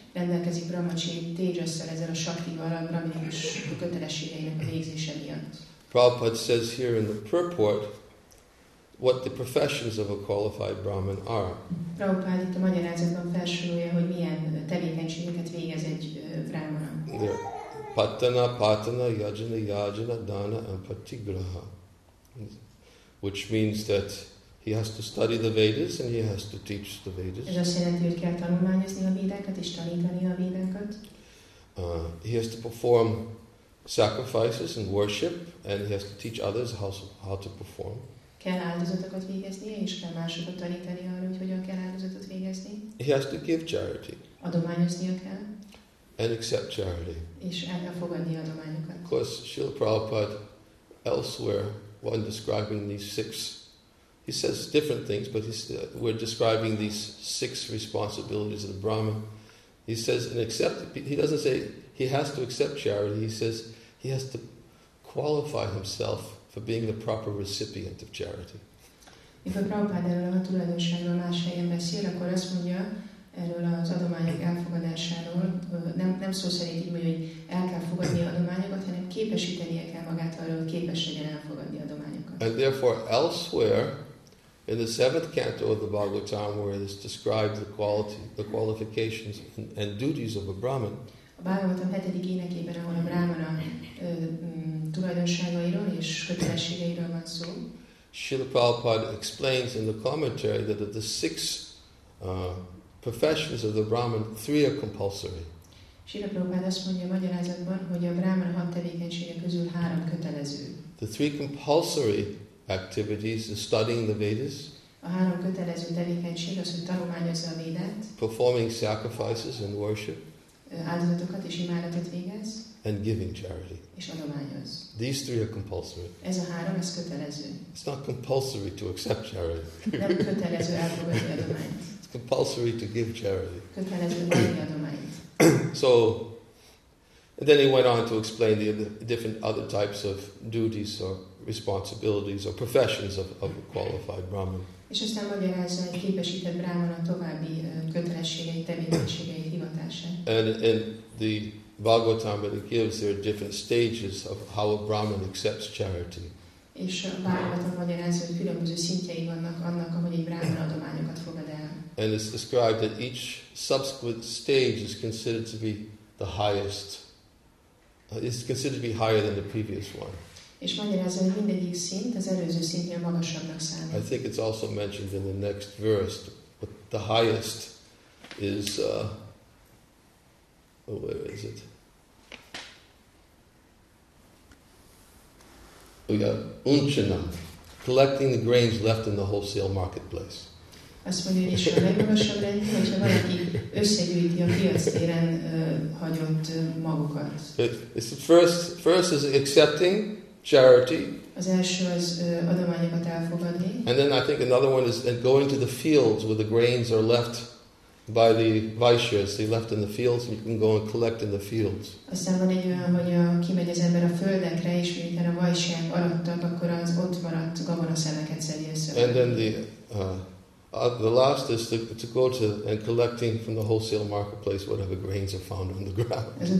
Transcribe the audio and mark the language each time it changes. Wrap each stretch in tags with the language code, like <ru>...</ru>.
<hu>Rendelkezik Brahma Tejasszal, ezzel a Shaktival, a brahminikus kötelességeinek a végzése miatt.</hu> <en>Prabhupada says here in the purport what the professions of a qualified Brahmin are.</en> <hu>Prabhupada itt a magyarázatban felsorolja, hogy milyen tevékenységeket végez egy brahmana.</hu> <sa>There. Patana, patana, yajana, yajana, dana, and patigraha.</sa> <en>Which means that he has to study the Vedas and he has to teach the Vedas.</en> <hu>Ez azt jelenti, hogy kell tanulmányozni a Védákat és tanítani a Védákat.</hu> <en>He has to perform sacrifices and worship and he has to teach others how to perform.</en> <hu>Kell áldozatokat végezni, és kell másokat tanítani arra, hogy hogyan kell áldozatot végezni.</hu> <en>He has to give charity.</en> <hu>Adományoznia kell.</hu> <en>And accept charity.</en> <hu>És elfogadni adományokat.</hu> <en>Of course, Srila Prabhupada elsewhere, when describing these six, he says different things, but we're describing these six responsibilities of the Brahma. He says, he doesn't say he has to accept charity, he says he has to qualify himself for being the proper recipient of charity.</en> <hu>If a Prabhupada erről a tulajdonságról más helyen beszél, akkor azt mondja erről az adományok elfogadásáról, nem szó szerint így, hogy el kell fogadni adományokat, hanem képesítenie kell magát arra, hogy képes legyen elfogadni adományokat.</hu> <en>And therefore, elsewhere, in the seventh canto of the Bhagavatam, where it is described the qualifications and duties of a Brahmin,</en> <hu>a Bhagavatam 7. énekében, ahol a Brahmana tulajdonságairól és kötelességeiről van szó.</hu> <en>Srila Prabhupada explains in the commentary that of the six professions of the Brahman, three are compulsory.</en> <hu>Srila Prabhupada azt mondja a magyarázatban, hogy a Brahmana hat tevékenysége közül három kötelező.</hu> <en>The three compulsory activities is studying the Vedas.</en> <hu>A három kötelező tevékenység az, hogy tanulmányozza a Védát.</hu> <en>Performing sacrifices and worship.</en> <hu>Áldozatokat és imádatot végez.</hu> <en>And giving charity.</en> <hu>És adományoz.</hu> <en>These three are compulsory.</en> <hu>Ez a három, ez kötelező.</hu> <en>It's not compulsory to accept charity.</en> <hu>Nem kötelező elfogadni adományt.</hu> <en>It's compulsory to give charity.</en> <hu>Kötelező adni adományt.</hu> <en>So, and then he went on to explain the different other types of duties or responsibilities or professions of a qualified Brahmin.</en> <hu>És aztán magyarázza egy képesített Brahmana további kötelességei, tevékenységei, hivatását.</hu> <en>And in the Bhagavatam, it gives there different stages of how a Brahmin accepts charity.</en> <hu>És a Bhagavatam magyarázza, hogy különböző szintjei vannak annak, ahogy egy Brahmana adományokat fogad el.</hu> <en>And it's described that each subsequent stage is considered to be the highest. It's considered to be higher than the previous one.</en> <hu>És magyarázza, hogy mindegyik szint az előző szintnél magasabbnak számít.</hu> <en>I think it's also mentioned in the next verse, but the highest is where is it? We got unchanam, collecting the grains left in the wholesale marketplace.</en> <hu>Azt mondja, hogy is a legmagasabb rendjük, hogyha valaki összegyűjti a piac téren hagyott magukat.</hu> <en>It's the first is accepting charity.</en> <hu>Az első az adományokat elfogadni.</hu> <en>And then I think another one is going to the fields where the grains are left by the vaishyas. They left in the fields and you can go and collect in the fields.</en> <hu>Aztán van egy olyan, hogy kimegy az ember a földekre, és miután a vaishyák arattak, akkor az ott maradt gabonaszemeket szedi össze.</hu> <en>And then the The last is to go to and collecting from the wholesale marketplace whatever grains are found on the ground.</en>